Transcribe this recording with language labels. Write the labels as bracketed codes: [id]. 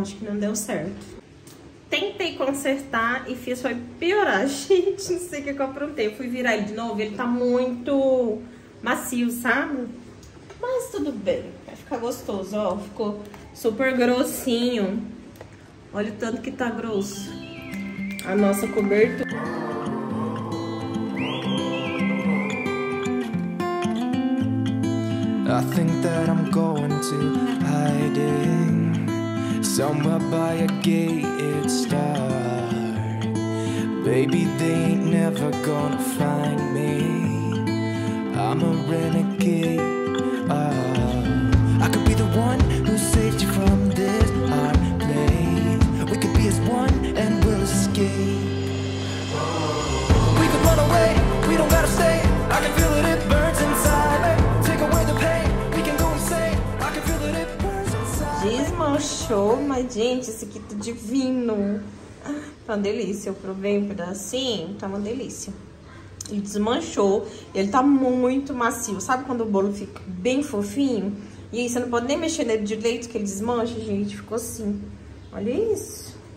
[pt] Acho que não deu certo. Tentei consertar e fiz foi piorar. Gente, não sei o que eu aprontei. Eu fui virar ele de novo. Ele tá muito macio, sabe? Mas tudo bem. Vai ficar gostoso, ó. Ficou super grossinho. Olha o tanto que tá grosso. A nossa cobertura. [en] I think that I'm going to hiding somewhere by a gated star. Baby, they ain't never gonna find me. I'm a renegade. Oh. I could be the one who saved you from this heartbreak. We could be as one. We can run away, we don't gotta stay. I can feel it, it burns inside. Take away the pain, we can go insane. I can feel it, it burns inside. [pt] Desmanchou, mas gente, esse aqui tá divino. Tá uma delícia, eu provei um pedacinho, tá uma delícia. Ele desmanchou, ele tá muito macio. Sabe quando o bolo fica bem fofinho? E aí você não pode nem mexer nele direito que ele desmancha, gente, ficou assim. Olha isso.